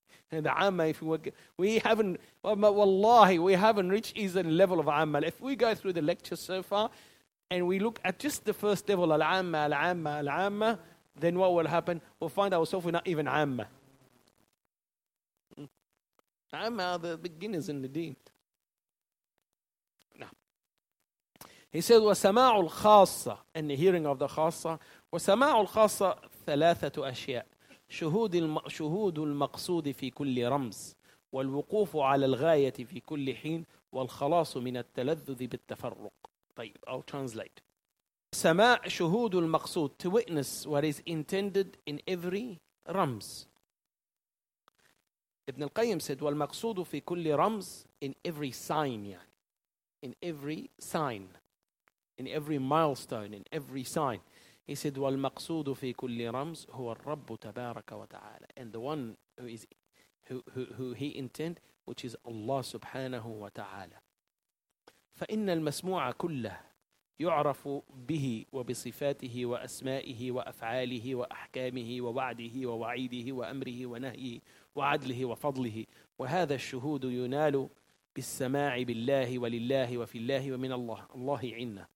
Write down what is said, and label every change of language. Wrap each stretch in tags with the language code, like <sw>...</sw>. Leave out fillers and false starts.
<en>The Amma, if we haven't, wallahi, we haven't reached either level of Amma. If we go through the lecture so far and we look at just the first level, Al Amma, Al Amma, Al Amma, then what will happen? We'll find ourselves not even Amma. Amma are the beginners in the deen.</en> <ar>He says, وَسَمَاعُ الْخَاصَّةِ,</ar> <en>and the hearing of the</en> <ar>خَاصَّةِ, وَسَمَاعُ الْخَاصَّةِ ثَلَاثَةُ أَشْيَاءِ, شُهُودُ الْمَقْصُودِ فِي كُلِّ رَمْزٍ, وَالْوُقُوفُ عَلَى الْغَايَةِ فِي كُلِّ حِينٍ, وَالْخَلَاصُ مِنَ التَّلَذُّذِ بِالتَّفَرُّقِ.</ar> <en>طيب, I'll translate.</en> <ar>سماع شهود المقصود,</ar> <en>to witness what is intended in every رمز. Ibn al-Qayyim said,</en> <ar>وَالْمَقْصُودُ فِي كُلِّ رَمْزٍ,</ar> <en>in every sign, yeah. In every sign, in every milestone, in every sign.</en> <ar>He said, وَالْمَقْصُودُ فِي كُلِّ رَمْزٍ هُوَ الرَّبُّ تَبَارَكَ وَتَعَالَى.</ar> <en>And the one who he intend, which is Allah subhanahu wa ta'ala.</en> <ar>فَإِنَّ الْمَسْمُوعَ كُلَّهُ يُعْرَفُ بِهِ وَبِصِفَاتِهِ وَأَسْمَائِهِ وَأَفْعَالِهِ وَأَحْكَامِهِ وَوَعْدِهِ وَوَعِيدِهِ وَأَمْرِهِ وَنَهْيِهِ وَعَدْلِهِ وَفَضْلِهِ وَهَذَا الشُّهُودُ يُنَالُ بِالسَّمَاعِ بِاللَّهِ وَلِلَّهِ وَفِي اللَّهِ وَمِنَ اللَّهِ اللَّهِ عِنَّا.</ar>